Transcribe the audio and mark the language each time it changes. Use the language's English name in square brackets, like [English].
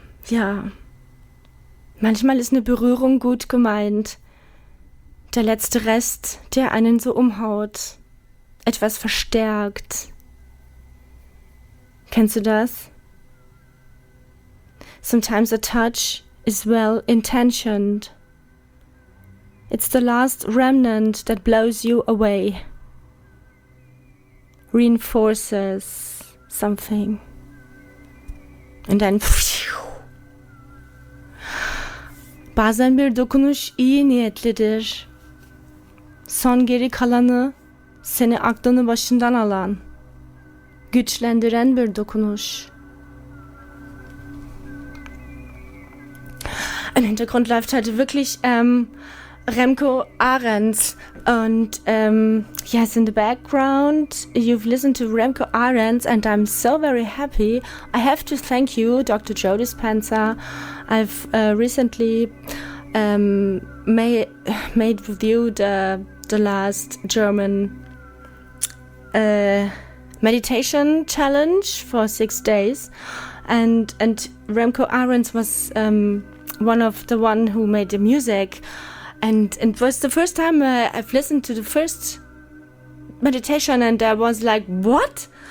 [German] Ja, manchmal ist eine Berührung gut gemeint. Der letzte Rest, der einen so umhaut, etwas verstärkt. Kennst du das? [English] Sometimes a touch is well intentioned. It's the last remnant that blows you away. Reinforces something. And then... [Turkish] Bazen bir dokunuş iyi niyetlidir. Son geri kalanı, seni aklını başından alan, güçlendiren bir dokunuş. [German] Im Hintergrund läuft heute wirklich Remco Arendt. [English] Und yes, in the background, you've listened to Remco Arendt, and I'm so very happy. I have to thank you, Dr. Joe Dispenza. I've recently made with you the last German meditation challenge for 6 days, and Remco Arendt was one of the one who made the music, and it was the first time I've listened to the first meditation, and I was like, what?